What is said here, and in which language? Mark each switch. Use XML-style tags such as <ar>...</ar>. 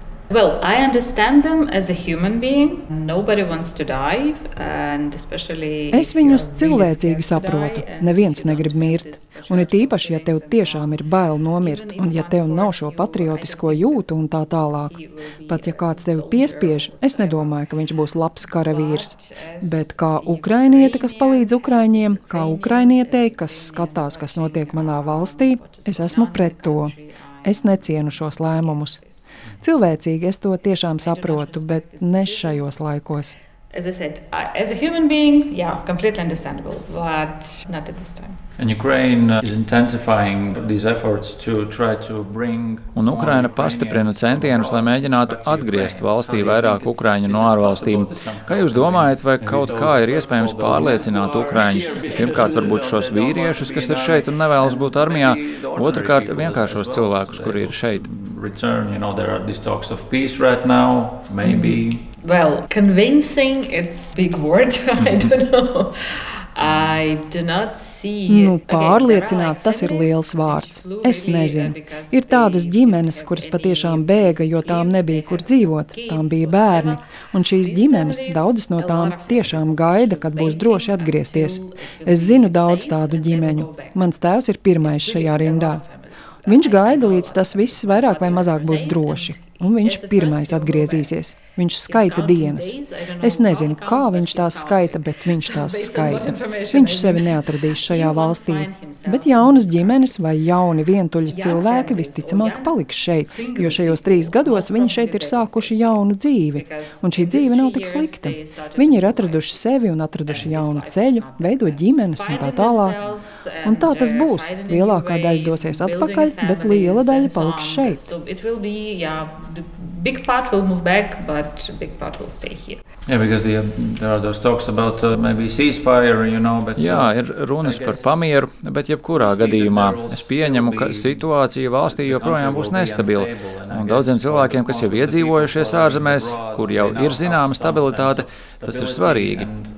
<en>Well, I understand them as a human being. Nobody wants to die, and especially</en> <lv>es viņus cilvēcīgi saprotu. Neviens negrib mirt, un ir tīpaši, ja tev tiešām ir bail nomirt, un ja tev nav šo patriotisko jūtu un tā tālāk. Pat ja kāds tevi piespiež, es nedomāju, ka viņš būs labs karavīrs. Bet kā ukrainiete, kas palīdz ukraiņiem, kā ukrainiete, kas skatās, kas notiek manā valstī, es esmu pret to. Es necienu šos lēmumus. Cilvēcīgi es to tiešām saprotu, bet ne šajos laikos.</lv> <en>As I said, as a human being, yeah, completely understandable, but not at this time. And Ukraine is intensifying these efforts to try to bring.</en> <lv>Un Ukraina pastiprina centienus, lai mēģinātu atgriezt valstī vairāk ukraiņu no ārvalstīm. Kā jūs domājat, vai kaut kā ir iespējams pārliecināt ukraiņus? Pirmkārt, varbūt šos vīriešus, kas ir šeit un nevēlas būt armijā, otrkārt, vienkāršos cilvēkus, kuri ir šeit.</lv> <en>Return, you know, there are these talks of peace right now, maybe. Well, convincing, it's big word, I don't know. I do not see.</en> <lv>Nu, pārliecināt, tas ir liels vārds. Es nezinu. Ir tādas ģimenes, kuras patiešām bēga, jo tām nebija kur dzīvot, tām bija bērni. Un šīs ģimenes, daudzas no tām, tiešām gaida, kad būs droši atgriezties. Es zinu daudz tādu ģimeņu. Mans tēvs ir pirmais šajā rindā. Viņš gaida, līdz tas viss vairāk vai mazāk būs droši. Un viņš pirmais atgriezīsies. Viņš skaita dienas. Es nezinu, kā viņš tās skaita, bet viņš tās skaita. Viņš sevi neatradīs šajā valstī. Bet jaunas ģimenes vai jauni vientuļi cilvēki visticamāk paliks šeit, jo šajos 3 gados viņi šeit ir sākuši jaunu dzīvi. Un šī dzīve nav tik slikta. Viņi ir atraduši sevi un atraduši jaunu ceļu, veidot ģimenes un tā tālāk. Un tā tas būs. Lielākā daļa dosies atpakaļ, bet liela daļa paliks šeit.</lv> <en>The big part will move back, but big part will stay here. Yeah, because there are those talks about maybe ceasefire, you know, but</en> <lv>jā, ir runas par pamieru, bet jebkurā gadījumā es pieņemu, ka situācija valstī joprojām būs nestabila. Un daudziem cilvēkiem, kas jau iedzīvojušies ārzemēs, kur jau ir zināma stabilitāte, tas ir svarīgi.</lv>